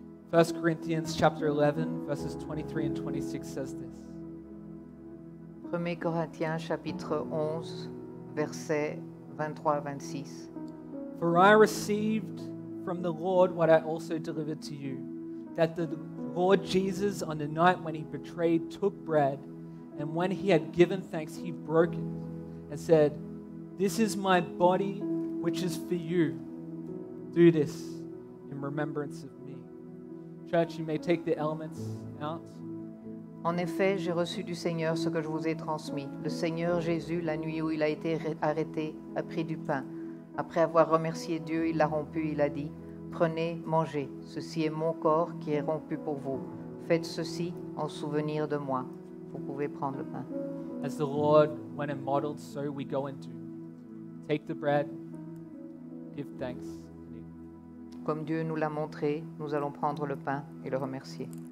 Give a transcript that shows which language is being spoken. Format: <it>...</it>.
<en>First Corinthians chapter 11, verses 23 and 26 says this.</en> <fr>1 Corinthiens chapitre 11, versets 23 à 26.</fr> <en>For I received from the Lord what I also delivered to you, that the Lord Jesus, on the night when he betrayed, took bread, and when he had given thanks, he broke it and said, "This is my body, which is for you. Do this in remembrance of me." Church, you may take the elements out.</en> <fr>En effet, j'ai reçu du Seigneur ce que je vous ai transmis. Le Seigneur Jésus, la nuit où il a été arrêté, a pris du pain. Après avoir remercié Dieu, il l'a rompu. Il a dit, « Prenez, mangez. Ceci est mon corps qui est rompu pour vous. Faites ceci en souvenir de moi. » Vous pouvez prendre le pain.</fr> <en>As the Lord went and modeled, so we go into. Take the bread, give thanks.</en> <fr>Comme Dieu nous l'a montré, nous allons prendre le pain et le remercier.</fr>